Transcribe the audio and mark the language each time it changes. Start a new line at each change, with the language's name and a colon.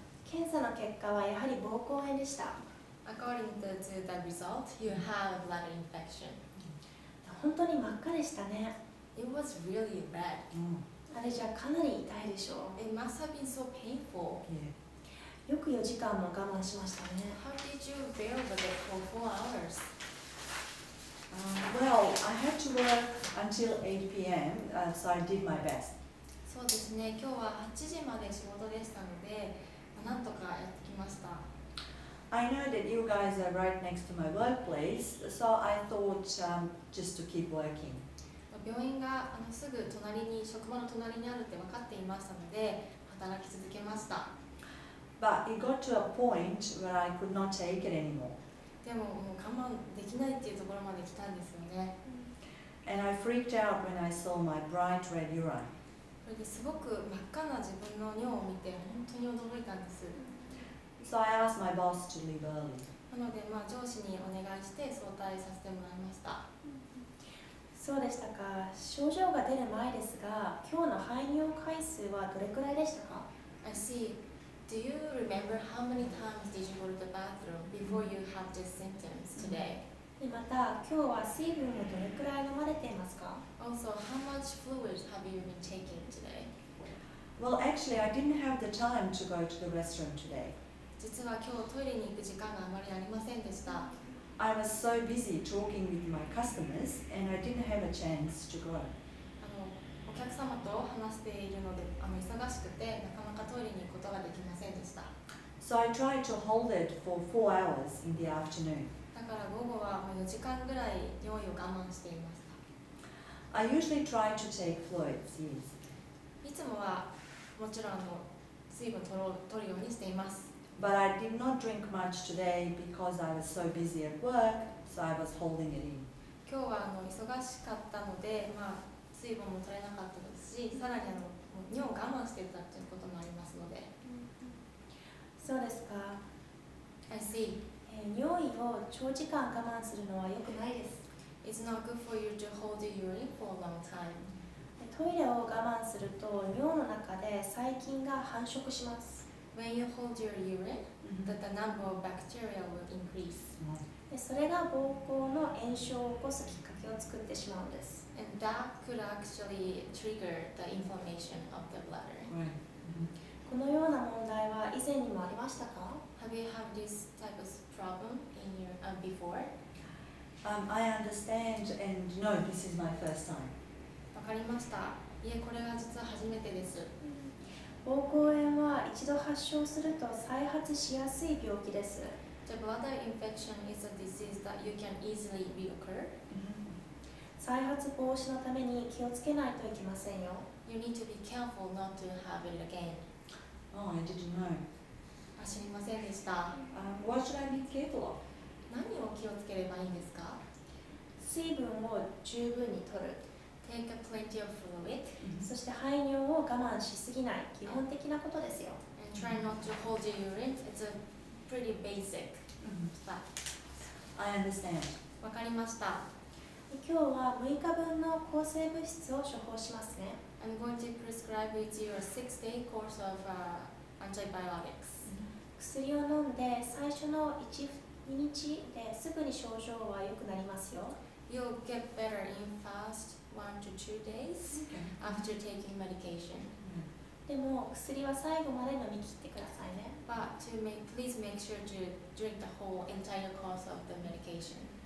Japanese: 検査の結果はやはり膀胱炎でした。
English: According to the result, you have bladder infection.
Japanese: 本当に真っ赤でしたね。
English: It was really red.
Japanese: あれじゃかなり痛いでしょう。
English: It must have been so painful.
Japanese: よく4時間も我慢しましたね。
English: How did you bear with it for 4 hours? Well, I had to work until 8 p.m., so I did my best.
Japanese: そうですね、今日は8時まで仕事でしたので、なんとかやってきました。
English: I know that you guys are right next to my workplace, so I thought, just to keep working.
Japanese: 病院がすぐ隣に、職場の隣にあるって分かっていましたので、働き続けました。
English: But it got to a point where I could not take it anymore.
Japanese: でも、もう我慢できないっていうところまで来たんですよね。
English: And I freaked out when I saw my bright red urine.
Japanese: それですごく真っ赤な自分の尿を見て本当に驚いたんです。
English: So I asked my boss to leave early.
Japanese: なので、まあ、上司にお願いして早退させてもらいました。そうでしたか。症状が出る前ですが、今日の排尿回数はどれくらいでしたか?
English: I see. Do you remember how many times did you go to the bathroom before you had this symptoms today?
Japanese: また今日は水分をどれくらい飲まれていますか?
English: Also, how much fluid have you been taking today? Well, actually, I didn't have the time to go to the restroom today.
Japanese: 実は今日トイレに行く時間があまりありませんでした。
English: I was so busy talking with my customers, and I didn't have a chance to go.
Japanese: お客様と話しているので忙しくてなかなかトイレに行くことができませんでした。
English: So I tried to hold it for 4 hours in the afternoon.
Japanese: だから午後は4時間ぐらい尿意を我慢していました。
English: I usually try to take fluids, yes.
Japanese: いつもはもちろん水分を取るようにしています。
English: But I did not drink much today because I was so busy at work, so I was holding it in.
Japanese: 今日は忙しかったので、まあ、水分も取れなかったですし、さらに尿を我慢していたということもありますので。そうですか。
English: I see.
Japanese: 尿意を長時間我慢するのは良くないです。
English: It's not good for you to hold the urine for a long time.
Japanese: トイレを我慢すると尿の中で細菌が繁殖します。
English: When you hold your urine, that the number of bacteria will increase.
Japanese: それが膀胱の炎症を起こすきっかけを作ってしまうんです。
English: And that could actually trigger the inflammation of the bladder.
Japanese: このような問題は以前にもありましたか?
English: Have you had this type of problem in your, before? I understand and no, this is my first time.
Japanese: わかりました。いえ、これが実は初めてです。膀胱炎は一度発症すると再発しやすい病気です。
English: The bladder infection is a disease that you can easily reoccur.
Japanese: 再発防止のために気をつけないといけませんよ。
English: You need to be careful not to have it again. Oh, I didn't know.
Japanese: 知りませんでした。
English: What should I be careful of?
Japanese: 何を気をつければいいんですか? 水分を十分に取る。
English: Take a plenty of fluid.
Japanese: そして排尿を我慢しすぎない。基本的なことですよ。
English: And try not to hold your urine. It's a pretty basic. I understand.
Japanese: わかりました。今日は6日分の抗生物質を処方しますね。
English: I'm going to prescribe you your 6-day course of antibiotics.
Japanese: 薬を飲んで最初の1日ですぐに症状は良くなりますよ。
English: You'll get better in first 1-2 days after taking medication.
Japanese: でも薬は最後まで飲み切ってくださいね。
English: But to make, please make sure to drink the whole entire course of the medication.